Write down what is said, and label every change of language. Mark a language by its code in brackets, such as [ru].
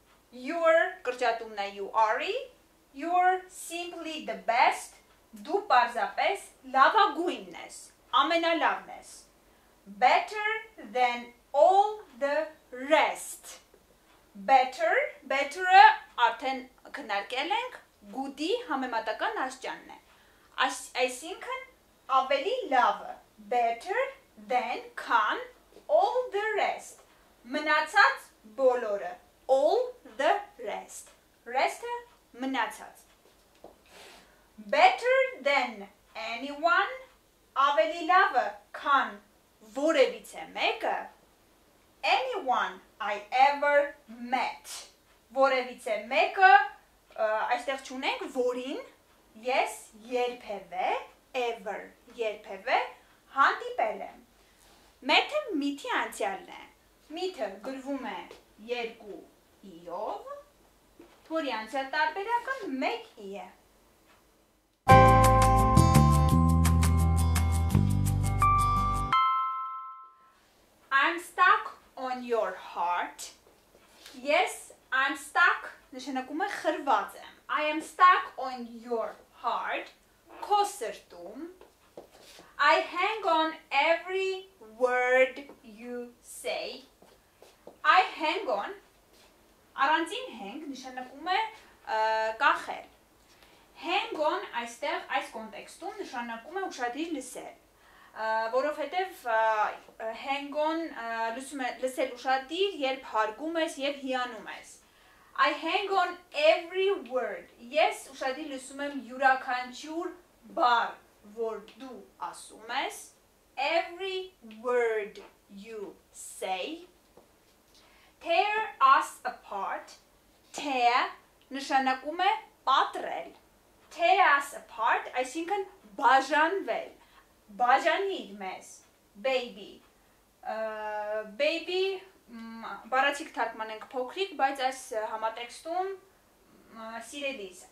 [en] You are, [hy] կրճատումն է [en] you are, you're simply the best, [hy] դու պարզապես լավագույնն ես, ամենալավն ես. [en] Better than all the rest. [hy] Better-ը արդեն քննարկել ենք, good-ի համեմատական աստիճանն է. Այսինքն ավելի լավը, [en] better than can all the rest. [hy] Մնացած բոլորը, [en] all the rest. [hy] Rest-ը մնացած. [en] Better than anyone, [hy] ավելի լավը, քան որևիցե մեկը, [en] anyone I ever met. [hy] որևից է մեկը, այստեղ չունենք, որին, ես երբևէ, ever, երբևէ, հանդիպել եմ. Մեթը միթի անցյալն է, միթը գրվում է երկու իով, թորի անցյալ տարբերակը մեկ ի է. [en] I'm stuck on your heart. Yes, I'm stuck. [hy] Նշանակում է խրված եմ. [en] I am stuck on your heart. [hy] Քո սրտում. [en] I hang on every word you say. I hang on. [hy] Առանձին hang նշանակում է կախել. Hang on այստեղ այս կոնտեքստում նշանակում է ուշադիր լսել. Որովհետև hang on լսում է, լսել ուշադիր, երբ հարգում ես եւ հիանում ես. [en] I hang on every word. [hy] Ես ուշադիր լսում եմ յուրաքանչյուր բառ, որ դու ասում ես. [en] Every word you say. Tear us apart. Tear [hy] նշանակում է պատրել. [en] Tear us apart [hy] այսինքն բաժանվել. Բաժանիր մեզ, baby. Baby, բառացիկ թարգմանենք փոքրիկ, բայց այս համատեքստում սիրելիս.